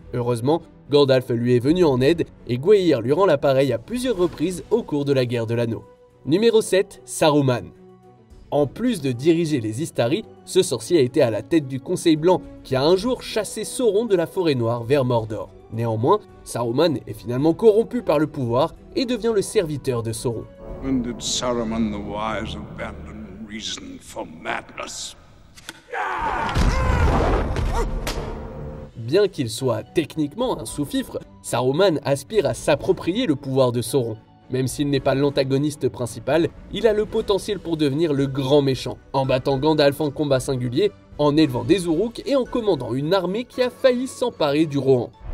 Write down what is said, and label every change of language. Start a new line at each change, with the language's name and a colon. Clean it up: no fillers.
French: Heureusement, Gandalf lui est venu en aide et Gwaihir lui rend l'appareil à plusieurs reprises au cours de la Guerre de l'Anneau. Numéro 7, Saruman. En plus de diriger les Istari, ce sorcier a été à la tête du Conseil Blanc qui a un jour chassé Sauron de la Forêt Noire vers Mordor. Néanmoins, Saruman est finalement corrompu par le pouvoir et devient le serviteur de Sauron.
English: When did Saruman the wise abandon reason for madness?
French: Bien qu'il soit techniquement un sous-fifre, Saruman aspire à s'approprier le pouvoir de Sauron. Même s'il n'est pas l'antagoniste principal, il a le potentiel pour devenir le grand méchant, en battant Gandalf en combat singulier, en élevant des Uruks et en commandant une armée qui a failli s'emparer du Rohan.